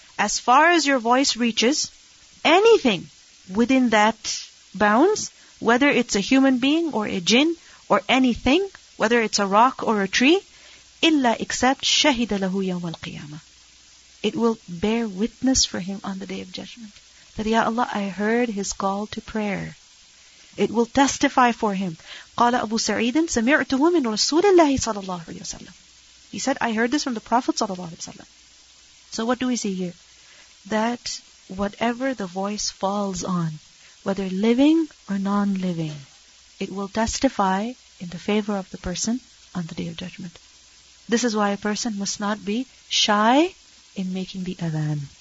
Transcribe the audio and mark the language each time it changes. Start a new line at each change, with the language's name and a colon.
English: As far as your voice reaches, anything within that bounds, whether it's a human being or a jinn or anything, whether it's a rock or a tree, illa except
Arabic: shahida lahu yawm al-qiyamah,
English: it will bear witness for him on the day of judgment that, Ya Allah, I heard his call to prayer. It will testify for him.
Arabic: قال أبو سعيد سمعته من رسول الله صلى الله عليه وسلم.
English: He said, I heard this from the Prophet صلى الله عليه وسلم. So what do we see here? That whatever the voice falls on, whether living or non-living, it will testify in the favor of the person on the Day of Judgment. This is why a person must not be shy in making the adhan.